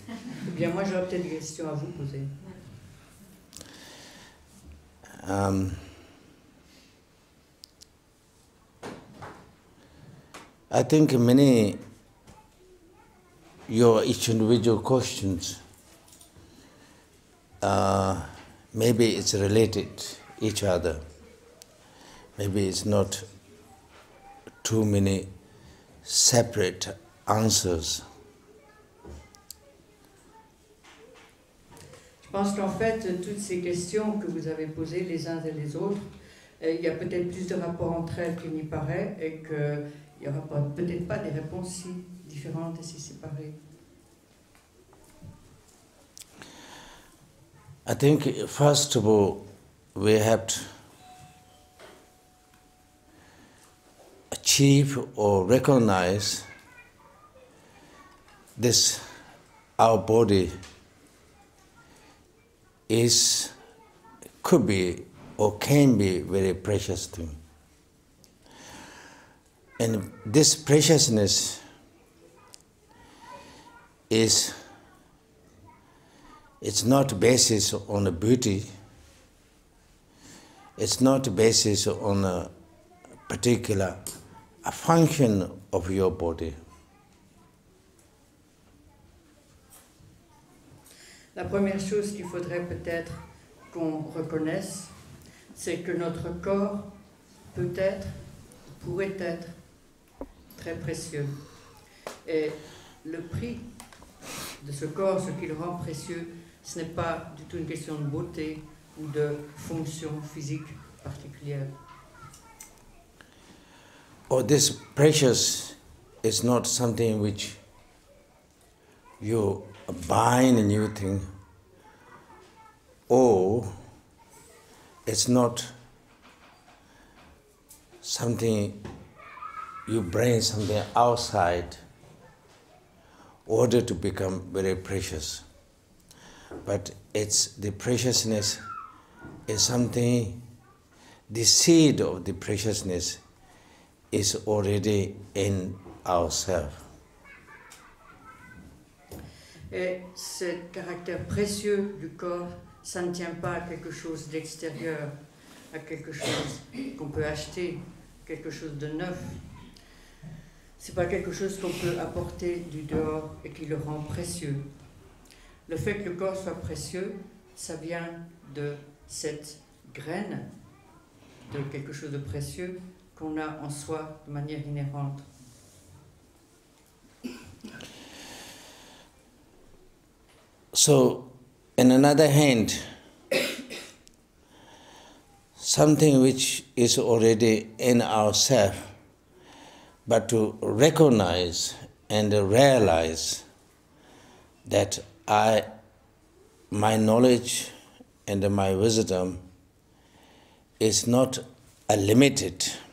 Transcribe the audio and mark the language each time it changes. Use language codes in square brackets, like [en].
[fr] Eh bien, moi, j'aurais peut-être des questions à vous poser. [en] I think many your each individual questions maybe it's related each other. Maybe it's not too many separate answers. [fr] Je pense qu'en fait, toutes ces questions que vous avez posées les uns et les autres, il y a peut-être plus de rapports entre elles qu'il n'y paraît et qu'il n'y aura peut-être pas des réponses si différentes et si séparées. [en] I think, first of all, we have to achieve or recognize this, our body is, could be or can be very precious thing. And this preciousness is, it's not basis on a beauty, it's not basis on a particular a function of your body. [fr] La première chose qu'il faudrait peut-être qu'on reconnaisse, c'est que notre corps peut être, pourrait être très précieux. Et le prix de ce corps, ce qu'il rend précieux, ce n'est pas du tout une question de beauté ou de fonction physique particulière. [en] Or this precious is not something which you buy in a new thing. Or it's not something you bring something outside in order to become very precious. But it's the preciousness is something, the seed of the preciousness is already in ourselves. [fr] Et ce caractère précieux du corps, ça ne tient pas à quelque chose d'extérieur, à quelque chose qu'on peut acheter, quelque chose de neuf. C'est pas quelque chose qu'on peut apporter du dehors et qui le rend précieux. Le fait que le corps soit précieux, ça vient de cette graine de quelque chose de précieux qu'on a en soi de manière inhérente. [en] So, in another hand, something which is already in ourselves, but to recognize and realize that I, my knowledge and my wisdom is not a limited.